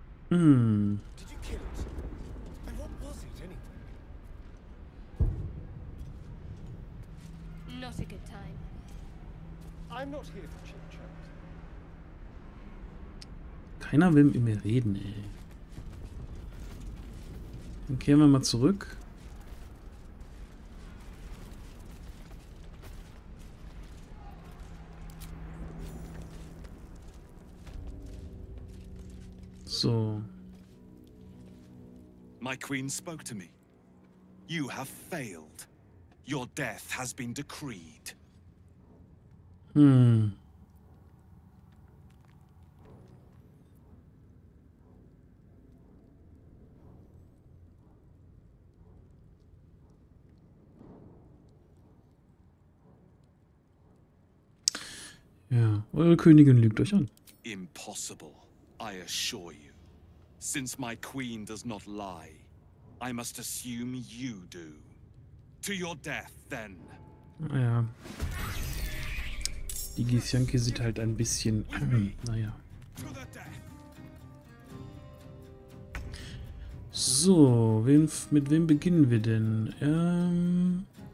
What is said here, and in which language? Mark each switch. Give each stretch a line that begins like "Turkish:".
English: Did you kill it? And what was it, anyway? Not a good time. I'm not here for Chit-Chat.
German: Keiner will mit mir reden, ey. Dann kehren wir mal zurück. So.
English: My queen spoke to me. You have failed. Your death has been decreed.
German: Ja, eure Königin lügt euch an.
English: Impossible, I assure you. Since my queen does not lie, I must assume you do. To your death, then.
German: Ja. Die Gisjanke sieht halt ein bisschen. Naja. So, mit wem beginnen wir denn?